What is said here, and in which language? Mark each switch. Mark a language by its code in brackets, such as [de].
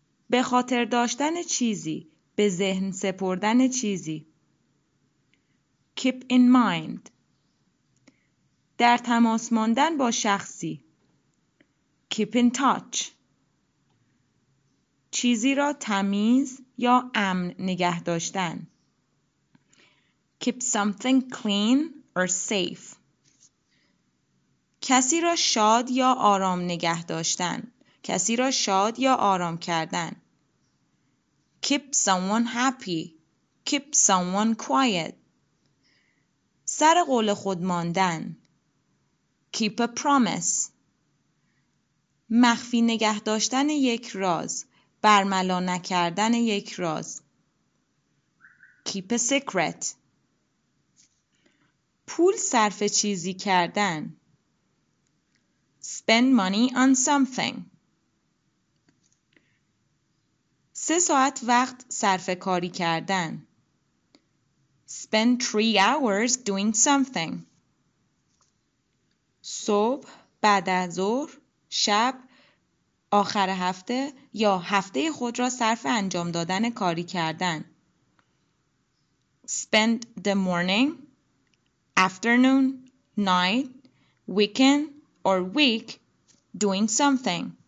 [fa] به خاطر داشتن چیزی. به ذهن سپردن چیزی. [en] Keep in mind. [fa] در تماس ماندن با شخصی. [en] Keep in touch. [fa] چیزی را تمیز یا امن نگه داشتن. [en] Keep something clean or safe. [fa] کسی را شاد یا آرام نگه داشتن. کسی را شاد یا آرام کردن. [en] keep someone happy. Keep someone quiet. [fa] سر قول خود ماندن. [en] Keep a promise. [fa] مخفی نگه داشتن یک راز. برملا نکردن یک راز. [en] Keep a secret. [fa] پول صرف چیزی کردن. [en] Spend money on something. [fa] 3 ساعت وقت صرف کاری کردن. [en] Spend 3 hours doing something. [fa] صبح، بعد از ظهر، شب، آخر هفته یا هفته خود را صرف انجام دادن کاری کردن. [en] Spend the morning, afternoon, night, weekend or week doing something.